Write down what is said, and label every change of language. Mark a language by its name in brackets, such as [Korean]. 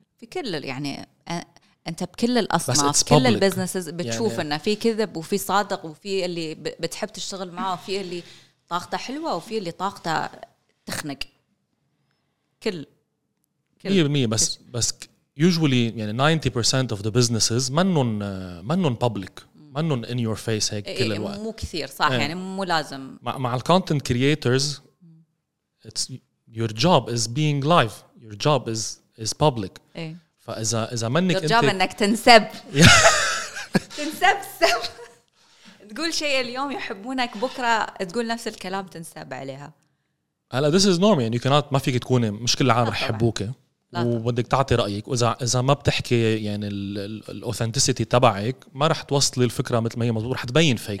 [Arabic] في كل يعني أنت بكل الأصناف. كل البزنسز بتشوف يعني إنه في كذب وفي صادق وفي اللي بتحب تشتغل معه وفي اللي طا طاقته حلوة وفي اللي طاقته تخنق. كل 100% بس [English] usually [Arabic] يعني 90% [English] of the businesses [Arabic] منن public, منن [English] in your face [Arabic] هيك كل الوقت. مو كثير صح يعني, يعني مو لازم. [English] مع ال content creators it's your job is being live, your job is public. [Arabic] إيه. فإذا منك [English] your job [Arabic] إنك تنسب تنسب سب تقول شيء اليوم يحبونك بكرة تقول نفس الكلام تنسب عليها. هلا [English] this is normal [Arabic] يعني, [English] you cannot, [Arabic] ما فيك تكوني مش كل العالم يحبوك وبدك تعطي رأيك, وإذا ما بتحكي يعني الأوثنتيسيتي تبعك ما رح توصلي الفكرة مثل ما هي مضبوط, رح تبين فيك.